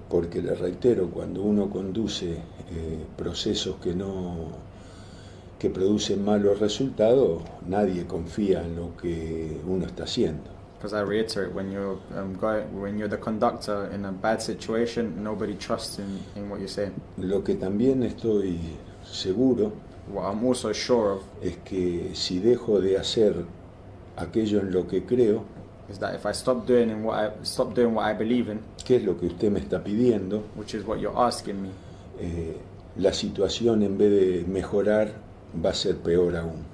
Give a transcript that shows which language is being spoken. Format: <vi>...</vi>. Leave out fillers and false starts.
<es>Porque le reitero, cuando uno conduce procesos que no que producen malos resultados, nadie confía en lo que uno está haciendo.</es> <en>Because I reiterate, when you're the conductor in a bad situation, nobody trusts in what you're saying.</en> <es>Lo que también estoy seguro</es> <en>What I'm also sure of</en> <es>es que si dejo de hacer aquello en lo que creo,</es> <en>is that if I stop doing in what I stop doing what I believe in,</en> <es>¿qué es lo que usted me está pidiendo?</es> <en>which is what you're asking me,</en> <es>La situación en vez de mejorar va a ser peor aún.</es>